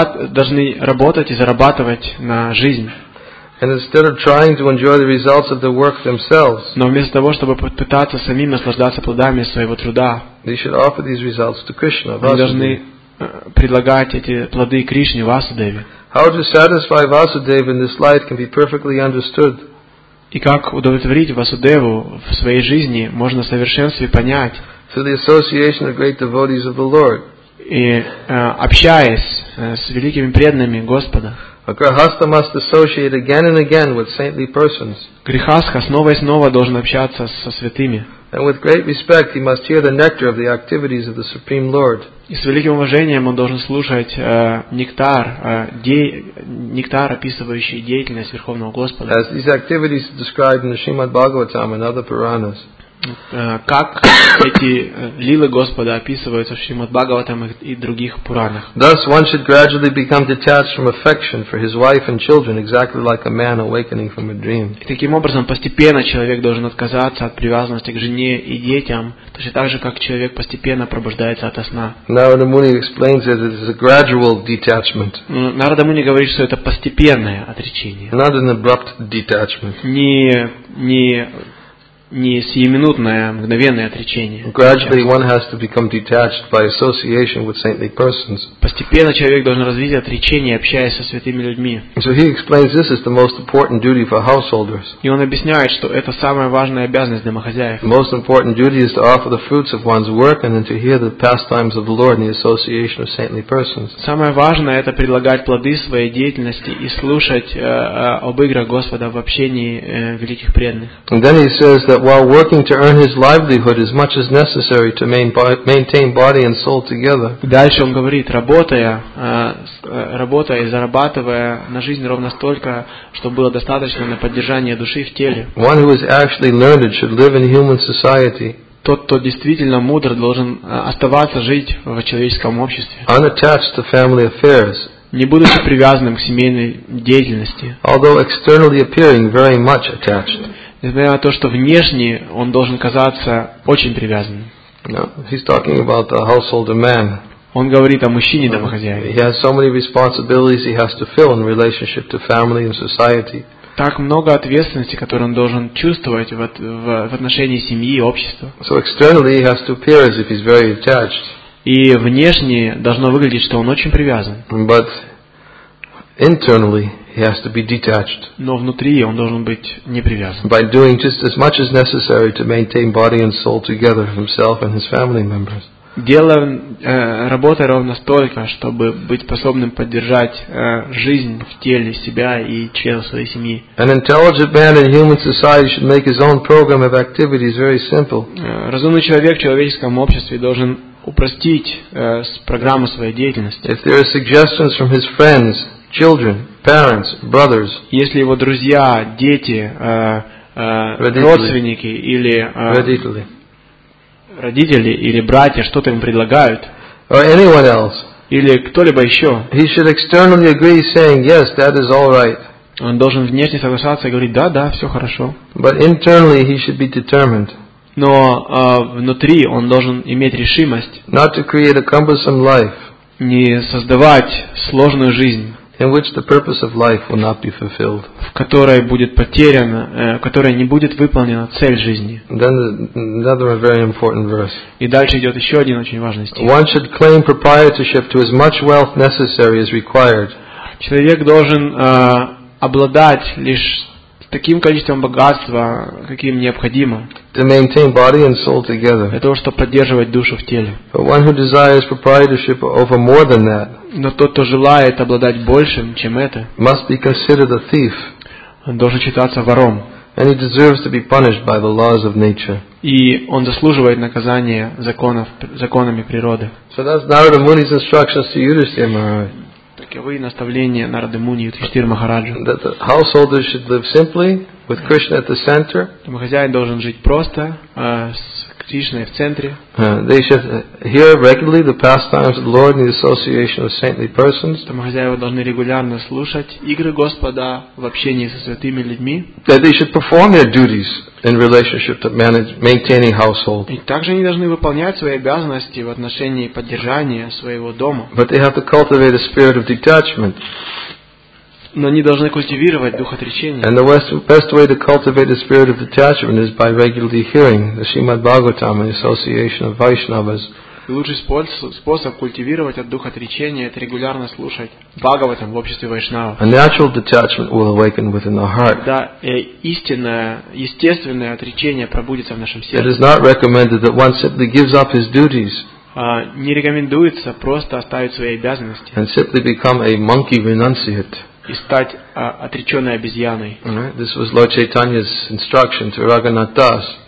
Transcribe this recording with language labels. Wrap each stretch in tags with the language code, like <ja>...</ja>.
<ru>Должны работать и зарабатывать на жизнь.</ru> <en>And instead of trying to enjoy the results of the work themselves,</en> <ru>но вместо того, чтобы пытаться самим наслаждаться плодами своего труда,</ru> <en>they should offer these results to Krishna.</en> <ru>Они должны предлагать эти плоды Кришне Васудеве.</ru> <en>How to satisfy Vasudeva in this light can be perfectly understood.</en> <ru>И как удовлетворить Васудеву в своей жизни можно в совершенстве понять.</ru> <en>Through the association of great devotees of the Lord.</en> <ru>И общаясь с великими преданными Господа.</ru> <en>A grihastha must associate again and again with saintly persons.</en> <ru>Грихастха снова и снова должен общаться со святыми.</ru> <en>And with great respect, he must hear the nectar of the activities of the Supreme Lord.</en> <ru>И с великим уважением он должен слушать нектар, описывающий деятельность Верховного Господа.</ru> <en>As these activities are described in the Srimad Bhagavatam and other Puranas.</en> <ru>Как эти лилы Господа описываются в Шримад Бхагаватам и других Пуранах.</ru> <en>Thus one should gradually become detached from affection for his wife and children, exactly like a man awakening from a dream.</en> <ru>И таким образом постепенно человек должен отказаться от привязанности к жене и детям, точно так же, как человек постепенно пробуждается ото сна.</ru> <en>Narada Muni explains that it is a gradual detachment.</en> <ru>Narada Muni говорит, что это постепенное отречение.</ru> <en>Not an abrupt detachment.</en> <ru>Не не сиюминутное, мгновенное отречение.</ru> <en>Gradually one has to become detached by association with saintly persons.</en> <ru>Постепенно человек должен развить отречение, общаясь со святыми людьми.</ru> <en>So he explains this is the most important duty for householders.</en> <ru>И он объясняет, что это самая важная обязанность домохозяев.</ru> <en>The most important duty is to offer the fruits of one's work and then to hear the pastimes of the Lord in the association of saintly persons.</en> <ru>Самое важное это предлагать плоды своей деятельности и слушать об играх Господа в общении великих преданных.</ru> <en>And then he says that while working to earn his livelihood as much as necessary to maintain body and soul together.</en> <ru>Дальше он говорит, работая и зарабатывая на жизнь ровно столько, чтобы было достаточно на поддержание души в теле.</ru> <en>One who is actually learned should live in human society.</en> <ru>Тот, кто действительно мудр, должен оставаться жить в человеческом обществе.</ru> <en>Unattached to family affairs.</en> <ru>Не будучи привязанным к семейной деятельности.</ru> <en>Although externally appearing very much attached.</en> <ru>Несмотря на то, что внешне он должен казаться очень привязанным.</ru> <en>No, he's talking about a householder man.</en> <ru>Он говорит о мужчине-домохозяине.</ru> <en>He has so many responsibilities he has to fill in relationship to family and society.</en> <ru>Так много ответственности, которую он должен чувствовать в отношении семьи и общества.</ru> <en>So externally he has to appear as if he's very attached.</en> <ru>И внешне должно выглядеть, что он очень привязан.</ru> <en>But internally he has to be detached.</en> <ru>Но внутри он должен быть не привязан.</ru> <en>By doing just as much as necessary to maintain body and soul together for himself and his family members.</en> <ru>Работая ровно столько, чтобы быть способным поддержать жизнь в теле себя и членов своей семьи.</ru> <en>An intelligent man in human society should make his own program of activities very simple.</en> <ru>Разумный человек в человеческом обществе должен упростить программу своей деятельности.</ru> <en>If there are suggestions from his friends, children, parents, brothers,</en> <ru>если его друзья, дети, родственники или родители или братья что-то им предлагают,</ru> <en>or anyone else,</en> <ru>или кто-либо еще,</ru> <en>he should externally agree, saying, yes, that is all right.</en> <ru>Он должен внешне соглашаться и говорить, да, все хорошо.</ru> <en>But internally he should be determined.</en> <ru>Но внутри он должен иметь решимость</ru> <en>not to create a cumbersome life,</en> <ru>не создавать сложную жизнь,</ru> <en>in which the purpose of life will not be fulfilled,</en> <ru>в которой будет потеряна, в которой не будет выполнена цель жизни.</ru> <en>Then another very important verse.</en> <ru>И дальше идет еще один очень важный стих.</ru> <en>One should claim proprietorship to as much wealth necessary as required.</en> <ru>Человек должен обладать лишь таким количеством богатства, каким необходимо,</ru> <en>to maintain body and soul together.</en> <ru>Для того, чтобы поддерживать душу в теле.</ru> <en>But one who desires proprietorship over more than that,</en> <ru>но тот, кто желает обладать большим, чем это,</ru> <en>must be considered a thief.</en> <ru>Он должен считаться вором.</ru> <en>And he deserves to be punished by the laws of nature.</en> <ru>И он заслуживает наказания законами природы.</ru> <en>So that's Narada Muni's instructions to Yudhishthira Maharaj.</en> <ru>Таковы наставления Нарады Муни и Юдхиштхира Махараджу.</ru> <en>That the householder should live simply with Krishna at the center.</en> <ru>Домохозяин должен жить просто, с Кришной в центре.</ru> <en>They should hear regularly the pastimes of the Lord in the association of saintly persons.</en> <ru>Домохозяева должны регулярно слушать игры Господа в общении со святыми людьми.</ru> <en>That they should perform their duties in relationship to maintaining household.</en> <ru>И также они должны выполнять свои обязанности в отношении поддержания своего дома.</ru> <en>But they have to cultivate a spirit of detachment.</en> <ru>Но они должны культивировать дух отречения.</ru> <en>And the best way to cultivate the spirit of detachment is by regularly hearing the Srimad Bhagavatam and the association of Vaishnavas.</en> <ru>Лучший способ культивировать от духа отречения – это регулярно слушать Бхагаватам в обществе Вайшнавов.</ru> <en>A natural detachment will awaken within the heart.</en> <ru>Да, истинное, естественное отречение пробудится в нашем сердце.</ru> <en>It is not recommended that one simply gives up his duties.</en> <ru>Не рекомендуется просто оставить свои обязанности.</ru> <en>And simply become a monkey renunciate.</en> <ru>И стать отреченной обезьяной.</ru> <en>Right. This was Lord Chaitanya's instruction to Raghunath Das.</en>